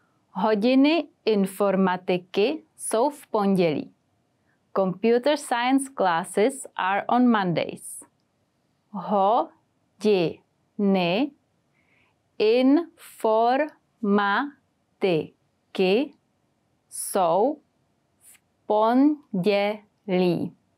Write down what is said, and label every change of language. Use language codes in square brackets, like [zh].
[cs] Hodiny informatiky jsou v pondělí. [en] Computer science classes are on Mondays. [cs] Hodiny informatiky jsou v pondělí.